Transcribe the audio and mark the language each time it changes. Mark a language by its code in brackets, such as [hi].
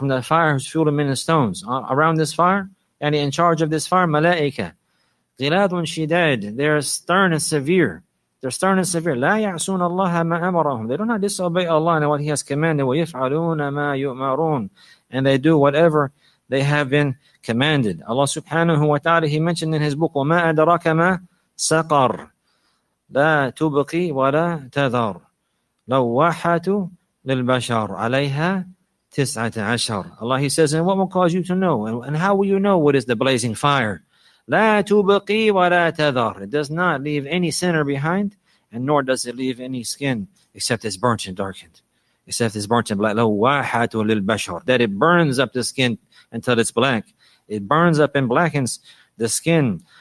[en] Around this fire, and in charge of this fire, malaika, [ar] غِلَاظٌ شِدَادٌ, [en] they're stern and severe. [ar] لَا يَعْصُونَ اللَّهَ مَا أَمَرَهُمْ. [en] They do not disobey Allah and what He has commanded. [ar] وَيَفْعَلُونَ مَا يُؤْمَرُونَ. [en] And they do whatever they have been commanded. Allah subhanahu wa ta'ala, He mentioned in His book, [ar] وَمَا أَدْرَكَ مَا سَقَرْ لَا تُبْقِي وَلَا تَذَرْ لَوَّاحَةُ لِلْبَشَرْ عَلَيْهَا تِسْعَةَ عَشَرْ. [en] Allah, He says, and what will cause you to know? And how will you know what is the blazing fire? [ar] لَا تُبْقِي وَلَا تَذَرْ. [en] It does not leave any sinner behind, and nor does it leave any skin, except it's burnt and darkened. Except it's burnt and black. [ar] لَوَّاحَةُ لِلْبَشَرْ. [en] That it burns up the skin until it's black. It burns up and blackens the skin.